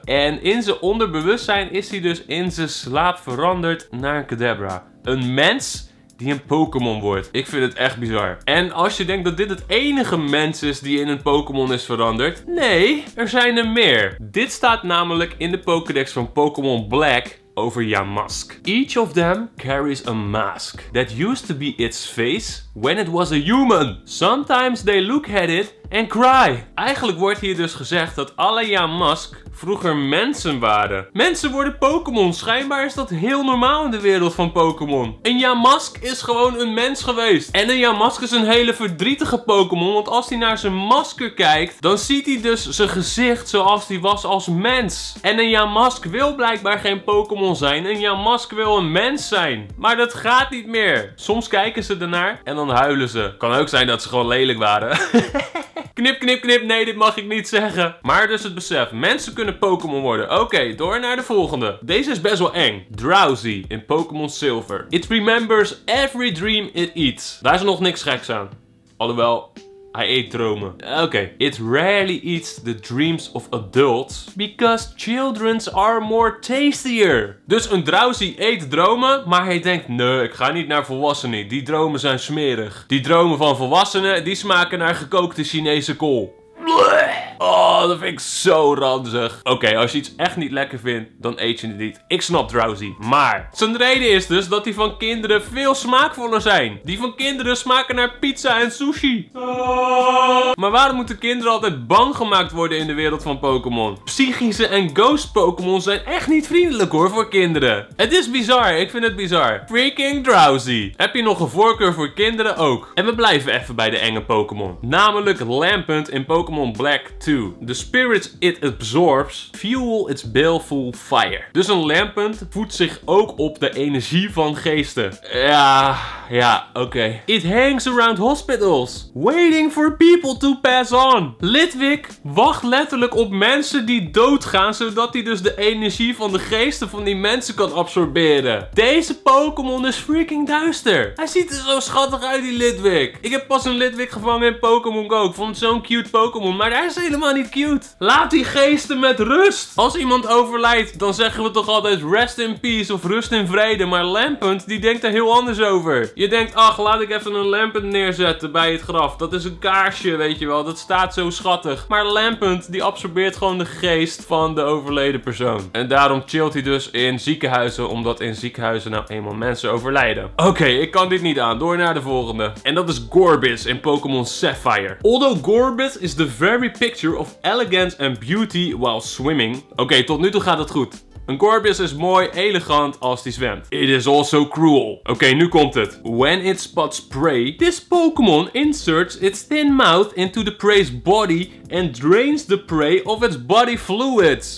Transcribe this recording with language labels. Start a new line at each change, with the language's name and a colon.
Dutch: En in zijn onderbewustzijn is hij dus in zijn slaap veranderd naar een Kadabra. Een mens die een Pokémon wordt. Ik vind het echt bizar. En als je denkt dat dit het enige mens is die in een Pokémon is veranderd, nee, er zijn er meer. Dit staat namelijk in de Pokédex van Pokémon Black over Yamask.
English: Each of them carries a mask that used to be its face when it was a human. Sometimes they look at it and cry.
Dutch: Eigenlijk wordt hier dus gezegd dat alle Yamask vroeger mensen waren. Mensen worden Pokémon. Schijnbaar is dat heel normaal in de wereld van Pokémon. Een Yamask is gewoon een mens geweest. En een Yamask is een hele verdrietige Pokémon. Want als hij naar zijn masker kijkt, dan ziet hij dus zijn gezicht zoals hij was als mens. En een Yamask wil blijkbaar geen Pokémon zijn. Een Yamask wil een mens zijn. Maar dat gaat niet meer. Soms kijken ze ernaar en dan huilen ze. Kan ook zijn dat ze gewoon lelijk waren. Knip, knip, knip. Nee, dit mag ik niet zeggen. Maar dus het besef. Mensen kunnen Pokémon worden. Oké, door naar de volgende. Deze is best wel eng. Drowsy in Pokémon Silver.
English: It remembers every dream it eats.
Dutch: Daar is nog niks geks aan. Alhoewel, hij eet dromen. Oké.
English: It rarely eats the dreams of adults because children's are more tastier.
Dutch: Dus een drowsy eet dromen, maar hij denkt, nee, ik ga niet naar volwassenen. Die dromen zijn smerig. Die dromen van volwassenen, die smaken naar gekookte Chinese kool. Oh, dat vind ik zo ranzig. Oké, als je iets echt niet lekker vindt, dan eet je het niet. Ik snap drowsy. Maar zijn reden is dus dat die van kinderen veel smaakvoller zijn. Die van kinderen smaken naar pizza en sushi. Maar waarom moeten kinderen altijd bang gemaakt worden in de wereld van Pokémon? Psychische en ghost Pokémon zijn echt niet vriendelijk hoor voor kinderen. Het is bizar, ik vind het bizar. Freaking drowsy. Heb je nog een voorkeur voor kinderen ook? En we blijven even bij de enge Pokémon. Namelijk Lampent in Pokémon Black 2.
English: The spirits it absorbs fuel its baleful fire.
Dutch: Dus een Lampent voedt zich ook op de energie van geesten. Ja, oké.
English: It hangs around hospitals, waiting for people to pass on.
Dutch: Litwick wacht letterlijk op mensen die doodgaan, zodat hij dus de energie van de geesten van die mensen kan absorberen. Deze Pokémon is freaking duister. Hij ziet er zo schattig uit, die Litwick. Ik heb pas een Litwick gevangen in Pokémon Go. Ik vond het zo'n cute Pokémon, maar daar is helemaal helemaal niet cute. Laat die geesten met rust. Als iemand overlijdt, dan zeggen we toch altijd
English: rest in peace
Dutch: of rust in vrede. Maar Lampent, die denkt er heel anders over. Je denkt, ach, laat ik even een Lampent neerzetten bij het graf. Dat is een kaarsje, weet je wel. Dat staat zo schattig. Maar Lampent, die absorbeert gewoon de geest van de overleden persoon. En daarom chillt hij dus in ziekenhuizen, omdat in ziekenhuizen nou eenmaal mensen overlijden. Oké, ik kan dit niet aan. Door naar de volgende. En dat is Gorbis in Pokémon Sapphire.
English: Although Gorbis is the very picture of elegance and beauty while swimming.
Dutch: Oké, tot nu toe gaat het goed. Een Gorbis is mooi, elegant als die zwemt.
English: It is also cruel.
Dutch: Oké, nu komt het.
English: When it spots prey, this Pokémon inserts its thin mouth into the prey's body and drains the prey of its body fluids.